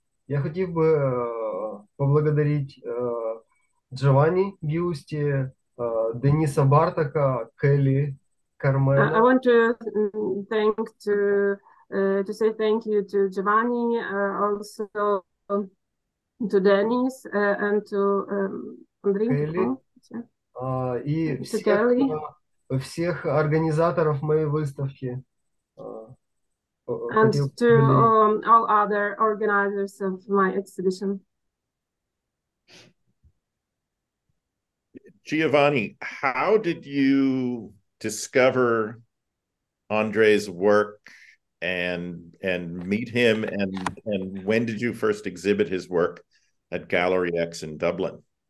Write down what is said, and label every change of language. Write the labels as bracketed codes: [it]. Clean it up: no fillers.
[uk] Я хотів би поблагодарити Джованні Гюсті, Деніса Бартака, Келі Кармена. [en] I want to say thank you to Giovanni, also to Denis, and to Андрій. Келі. [uk] І всіх організаторів моєї виставки. [en] And to all other organizers of my exhibition. Giovanni, how did you discover ANDRII's work and meet him, and when did you first exhibit his work at GalleryX in Dublin?